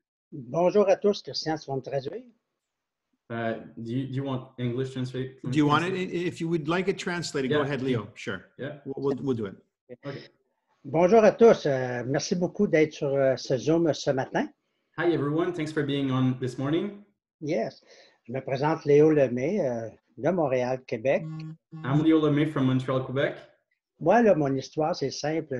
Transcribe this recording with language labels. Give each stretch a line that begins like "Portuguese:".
French: Bonjour à tous, Christian, tu vas me traduire?
English: Do you want English translate? Do you want it? If you would like it translated, yeah. Go ahead, Leo. Sure. Yeah. We'll do it. Okay.
French: Bonjour à tous. Merci beaucoup d'être sur ce Zoom ce matin.
English: Hi everyone. Thanks for being on this morning. Yes.
French: Je me présente Léo Lemay de Montréal, Québec.
English: I'm Léo Lemay from Montreal, Quebec.
French: Moi, là, mon histoire, c'est simple.